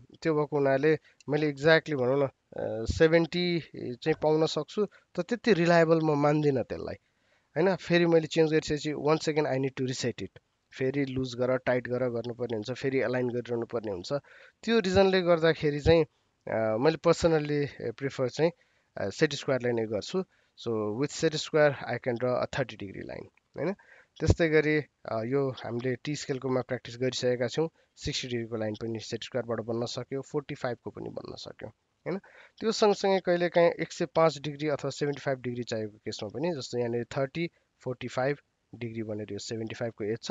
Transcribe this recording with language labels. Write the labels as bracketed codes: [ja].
[ne] त्यो भएको हुनाले मैले एक्ज्याक्टली भनौँ न 70 चाहिँ पाउन सक्छु तर त्यति रिलायबल म मान्दिनँ त्यसलाई होइन. फेरि मैले चेन्ज गरिसकेपछि [en] One second I need to reset it. [ne] फेरि लुज गर टाइट गर गर्नुपर्ने हुन्छ. फेरि अलाइन गरिरहनु पर्ने हुन्छ. त्यो रिजनले गर्दाखेरि चाहिँ मैले पर्सनल्ली प्रिफर चाहिँ सेट स्क्वायरलाई नै गर्छु. [en] So with set square I can draw a 30 degree line होइन. [ne] त्यस्तै गरी यो हामीले टी स्केलकोमा प्र्याक्टिस गरिसकेका छौँ. 60 डिग्रीको लाइन पनि सेट स्क्वायरबाट बन्न सक्यो. 45 पनि बन्न सक्यो होइन. त्यो सँगसँगै कहिलेकाहीँ 105 डिग्री अथवा 75 डिग्री चाहिएको केसमा पनि जस्तो यहाँनिर 30, 45 डिग्री भनेर यो 75 एज छ.